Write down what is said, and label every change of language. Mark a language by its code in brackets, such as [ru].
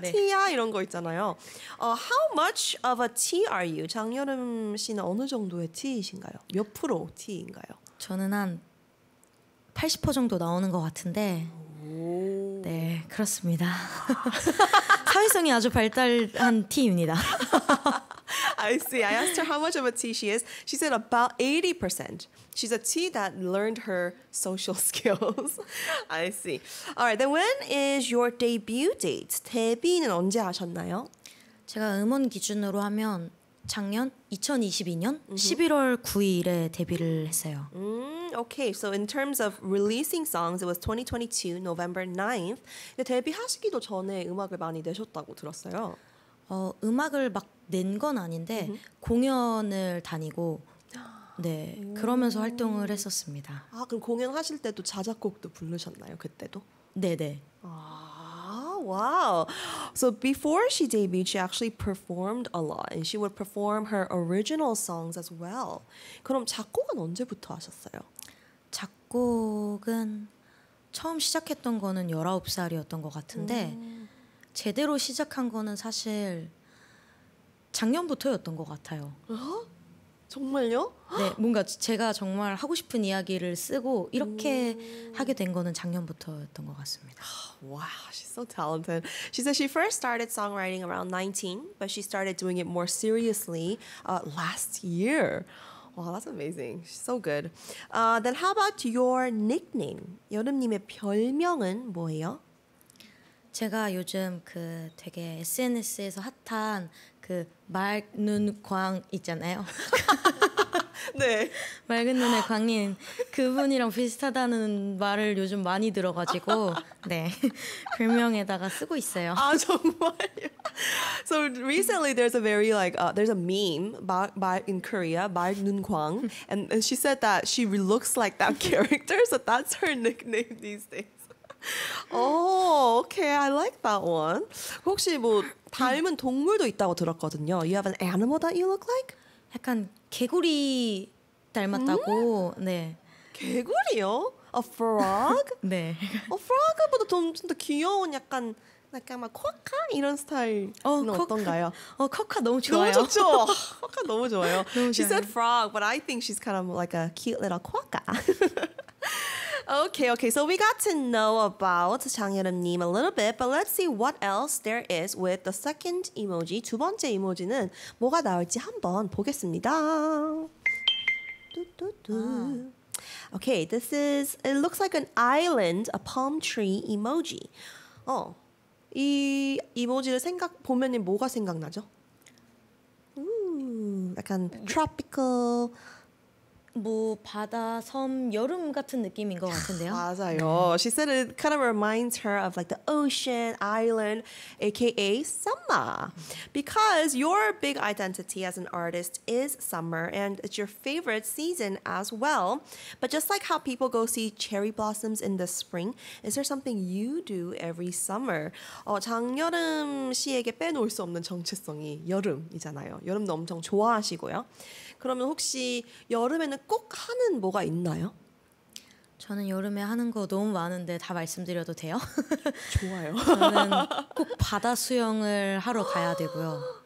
[ko] T야 네. 이런 거 있잖아요. [en] How much of a T are you? [ko] 장여름 씨는 어느 정도의 T이신가요? 몇 프로 T인가요? 저는 한 80% 정도 나오는 것 같은데 오. 네 그렇습니다. 사회성이 아주 발달한 T입니다. [en] I see. I asked her how much of a T she is. She said about 80%. She's a T that learned her social skills. I see. Alright, then when is your debut date? [ko] 데뷔는 언제 하셨나요? 제가 음원 기준으로 하면 작년 2022년 mm-hmm. 11월 9일에 데뷔를 했어요. [en] Okay, so in terms of releasing songs, it was 2022 November 9th. [ko] 근데 데뷔하시기도 전에 음악을 많이 내셨다고 들었어요. 음악을 막 낸 건 아닌데 mm-hmm. 공연을 다니고 네 그러면서 활동을 했었습니다. 아 그럼 공연하실 때도 자작곡도 부르셨나요 그때도? 네네. [en] 아. Wow. So before she debuted, she actually performed a lot and she would perform her original songs as well. [ko] 그럼 작곡은 언제부터 하셨어요? 작곡은 처음 시작했던 거는 19살이었던 것 같은데 제대로 시작한 거는 사실 작년부터였던 것 같아요. 정말요? 네, 뭔가 제가 정말 하고 싶은 이야기를 쓰고 이렇게 하게 된 거는 작년부터였던 것 같습니다. [en] Wow, she's so talented. She said she first started songwriting around 19, but she started doing it more seriously last year. Wow, that's amazing. She's so good. Then how about your nickname? [ko] 여름님의 별명은 뭐예요? 제가 요즘 그 되게 SNS에서 핫한 그 맑은 광 있잖아요. 네. 맑은 눈의 광인 그분이랑 비슷하다는 말을 요즘 많이 들어가지고 네 별명에다가 쓰고 있어요. 아 정말요? [en] So recently there's a very like there's a meme in Korea 맑은 광 and she said that she looks like that character, so that's her nickname these days. Oh, okay. I like that one. [ko] 혹시 뭐 닮은 동물도 있다고 들었거든요. [en] You have an animal that you look like? [ko] 약간 개구리 닮았다고. 네. 개구리요? [en] A frog? [ko] 네. A frog보다 좀 더 귀여운 약간 약간 막 쿼카 이런 스타일은 어떤가요? 쿼카 너무 좋아요. 너무 좋죠. 쿼카 너무 좋아요. [en] She said frog, but I think she's kind of like a cute little 쿼카. Okay, okay. So we got to know about 장여름님 a little bit, but let's see what else there is with the second emoji. [ko] 두 번째 이모지는 뭐가 나올지 한번 보겠습니다. [en] 두두두. Okay, this is it looks like an island, a palm tree emoji. [ko] 이 이모지를 생각 보면은 뭐가 생각나죠? 약간 tropical 뭐 바다 섬 여름 같은 느낌인 것 같은데요. 맞아요. [en] She said it kind of reminds her of like the ocean, island, aka summer. Because your big identity as an artist is summer and it's your favorite season as well. But just like how people go see cherry blossoms in the spring, is there something you do every summer? [ko] 장여름 씨에게 빼놓을 수 없는 정체성이 여름이잖아요. 여름도 엄청 좋아하시고요. 그러면 혹시 여름에는 꼭 하는 뭐가 있나요? 저는 여름에 하는 거 너무 많은데 다 말씀드려도 돼요? 좋아요. 저는 꼭 바다 수영을 하러 가야 되고요.